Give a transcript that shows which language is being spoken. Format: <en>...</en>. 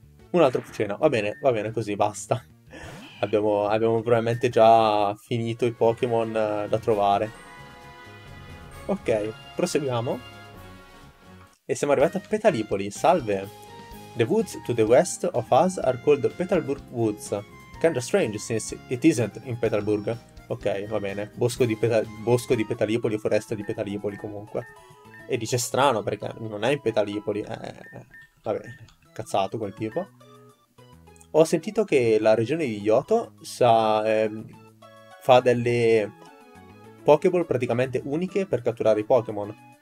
<it>Un altro Pucena. Va bene così, basta. Abbiamo probabilmente già finito i Pokémon da trovare. Ok, proseguiamo. E siamo arrivati a Petalipoli. Salve!</it> <en>The woods to the west of us are called Petalburg Woods. Kinda strange since it isn't in Petalburg.</en> <it>Ok, va bene. Bosco di Petalipoli o foresta di Petalipoli comunque. E dice strano perché non è in Petalipoli. Vabbè, cazzato quel tipo. Ho sentito che la regione di Johto fa delle Pokéball praticamente uniche per catturare i Pokémon.</it>